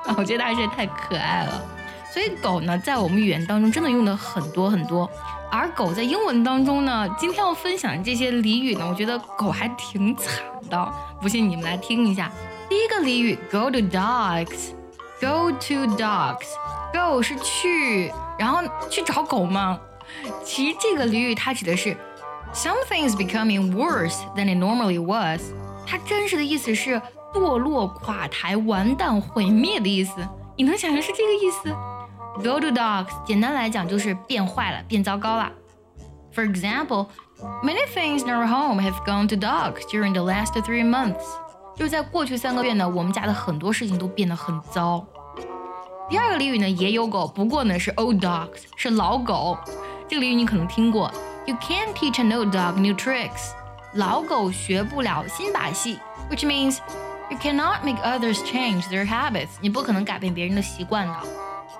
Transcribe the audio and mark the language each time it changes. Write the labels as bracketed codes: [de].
[zh] 我觉得还是太可爱了。所以狗呢，在我们语言当中真的用的很多很多。而狗在英文当中呢，今天要分享这些俚语呢，我觉得狗还挺惨的，不信你们来听一下。第一个俚语 [en] ，Go to dogs。Go to dogs. [zh] Go 是去，然后去找狗吗？其实这个俚语它指的是 [en] something is becoming worse than it normally was. [zh] 它真实的意思是堕落、垮台、完蛋、毁灭的意思。你能想象是这个意思？ [en] Go to dogs [zh] 简单来讲就是变坏了、变糟糕了。 [en] For example, many things in our home have gone to dogs during the last 3 months. [zh] 就是在过去三个月呢，我们家的很多事情都变得很糟。第二个俚语呢，也有狗，不过呢是 [en] old dogs， [zh] 是老狗。这个俚语你可能听过 [en] ，You can't teach an old dog new tricks， [zh] 老狗学不了新把戏 [en] ，which means you cannot make others change their habits， [zh] 你不可能改变别人的习惯的。